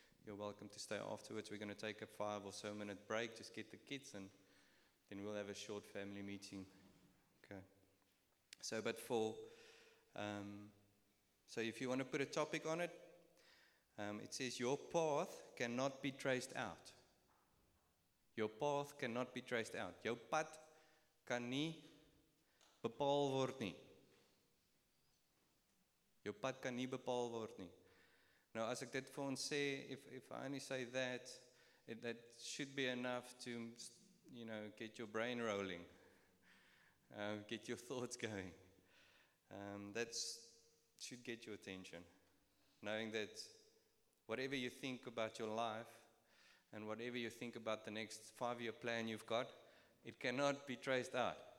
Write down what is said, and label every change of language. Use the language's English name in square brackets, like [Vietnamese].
[English] You're welcome to stay afterwards. We're going to take a 5 or so minute break, just get the kids, and then we'll have a short family meeting. So, but for, so if you want to put a topic on it, it says your path cannot be traced out. Your path cannot be traced out. [Afrikaans] Jou pad kan nie bepaal word nie. Jou pad kan nie bepaal word nie. [English] Now, [Afrikaans] as ek dit vir ons sê, [English] if I only say that, that should be enough to, you know, get your brain rolling, get your thoughts going. That should get your attention, knowing that whatever you think about your life and whatever you think about the next 5-year plan you've got, it cannot be traced out.